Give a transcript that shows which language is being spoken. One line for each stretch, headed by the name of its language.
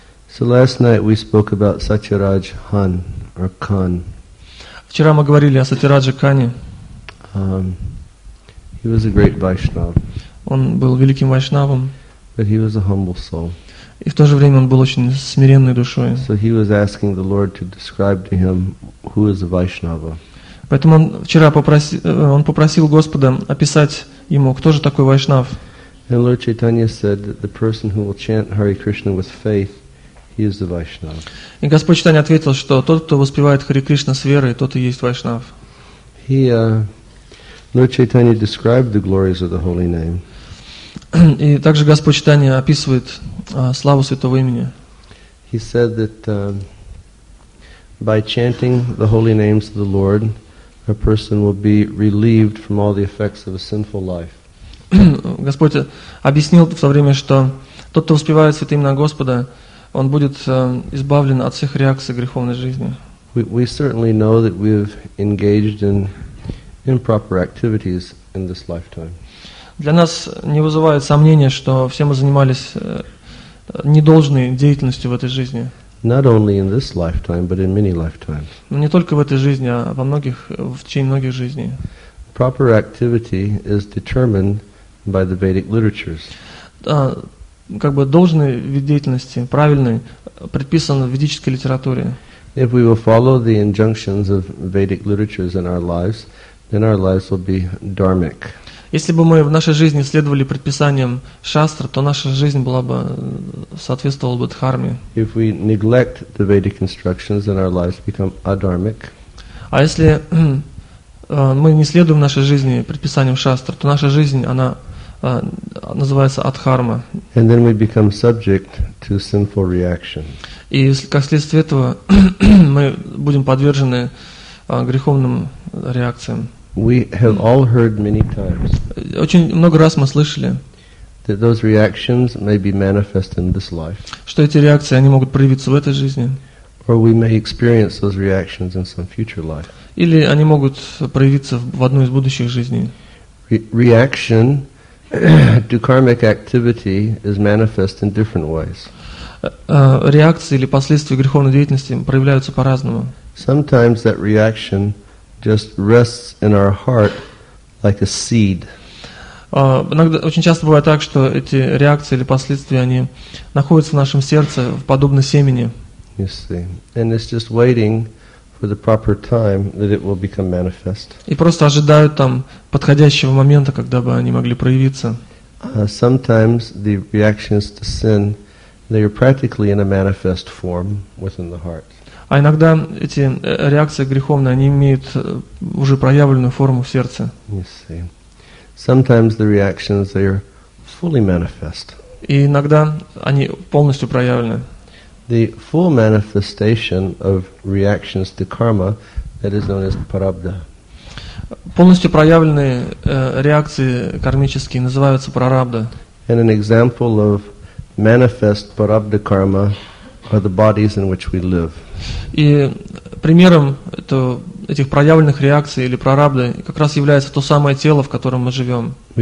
English: So last night we spoke about Satyaraj Han or Khan.
Russian: Вчера мы говорили о Сатираджа Кане.
English: He was a great Vaishnav.
Russian: Он был великим вайшнавом.
English: But he was a humble soul.
Russian: И в то же время он был очень смиренной душой.
English: So he was asking the Lord to describe to him who is a Vaishnava.
Russian: Поэтому он вчера попросил Господа описать ему, кто же такой вайшнав.
English: And Lord Chaitanya said that the person who will chant Hare Krishna with faith.
Russian: И Господь Чайтанья ответил, что тот, кто воспевает Хари Кришна с верой, тот и есть вайшнав.
English: Lord Chaitanya described the glories of the holy name.
Russian: И также Господь Чайтанья описывает славу святого имени.
English: He said that by chanting the holy names of the Lord, a person will be relieved from all the effects of a sinful life.
Russian: Господь объяснил в то время, что тот, кто воспевает святое имя Господа, он будет избавлен от всех реакций греховной жизни.
English: We certainly know that we've engaged in improper activities in this lifetime.
Russian: Для нас не вызывает сомнения, что все мы занимались недолжной деятельностью в этой жизни.
English: Not only in this lifetime, but in many lifetimes.
Russian: Но не только в этой жизни, а во многих, в течение многих жизней.
English: Proper activity is determined by the Vedic literatures.
Russian: Как бы должный вид деятельности, правильный, предписан в ведической литературе.
English: If we will follow the injunctions of Vedic literatures in our lives, then our lives will be dharmic.
Russian: Если бы мы в нашей жизни следовали предписаниям шастр, то наша жизнь была бы соответствовала бы дхарме.
English: If we neglect the Vedic instructions, then our lives become adharmic.
Russian: А если мы не следуем в нашей жизни предписаниям шастр, то наша жизнь, она называется адхарма.
English: And then we become subject to sinful reaction.
Russian: И как следствие этого мы будем подвержены греховным реакциям.
English: We have all heard many times.
Russian: Очень много раз мы слышали.
English: That those reactions may be manifest in this life.
Russian: Что эти реакции они могут проявиться в этой жизни.
English: Or we may experience those reactions in some future life.
Russian: Или они могут проявиться в одной из будущих жизней.
English: Reaction to karmic activity is manifest in different ways.
Russian: Реакции или последствия греховной деятельности проявляются по-разному.
English: Sometimes that reaction just rests in our heart like a seed.
Russian: Иногда очень часто бывает так, что эти реакции или последствия они находятся в нашем сердце в подобно семени.
English: You see, and it's just waiting for the proper time that it will become manifest.
Russian: И просто ожидают там подходящего момента, когда бы они могли проявиться.
English: Sometimes the reactions to sin, they are practically in a manifest form within the heart.
Russian: А иногда эти реакции греховные, они имеют уже проявленную форму в сердце.
English: You see. Sometimes the reactions, they are fully manifest.
Russian: И иногда они полностью проявлены.
English: The full manifestation of reactions to karma, that is known as prarabdha.
Russian: Полностью проявленные реакции кармические называются прарабдха.
English: And an example of manifest prarabdha karma are the bodies in which we live.
Russian: И примером этих проявленных реакций или прарабдхи как раз является то самое тело, в котором мы живем.